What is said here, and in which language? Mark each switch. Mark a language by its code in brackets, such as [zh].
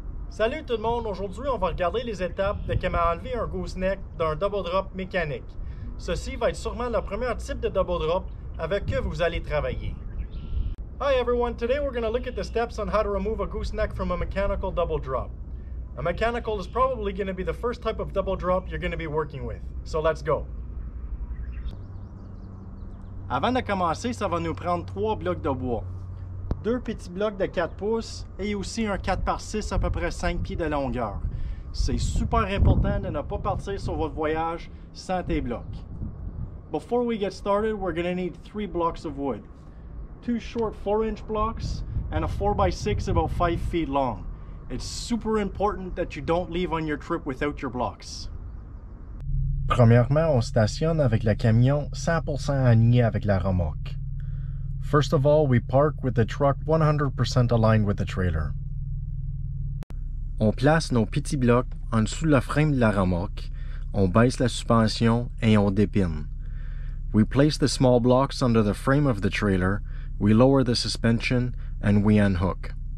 [fr] Salut tout le monde, aujourd'hui on va regarder les étapes de comment enlever un gooseneck d'un double drop mécanique. Ceci va être sûrement le premier type de double drop avec que vous allez travailler. [en] Hi everyone, today we're going to look at the steps on how to remove a gooseneck from a mechanical double drop. A mechanical is probably going to be the first type of double drop you're going to be working with. So let's go! [fr] Avant de commencer, ça va nous prendre 3 blocs de bois. Deux petits blocs de 4 pouces et aussi un 4 par 6 à peu près 5 pieds de longueur. C'est super important de ne pas partir sur votre voyage sans tes blocs. [en] Before we get started, we're going to need 3 blocks of wood. 2 short 4-inch blocks and a 4x6 about 5 feet long. It's super important that you don't leave on your trip without your blocks. [fr] Premièrement, on stationne avec le camion 100% aligné avec la remorque. [en] First of all, we park with the truck 100% aligned with the trailer. [fr] On place nos petits blocs en dessous de la frame de la remorque, on baisse la suspension et on dépine. [en] We place the small blocks under the frame of the trailer, we lower the suspension and we unhook.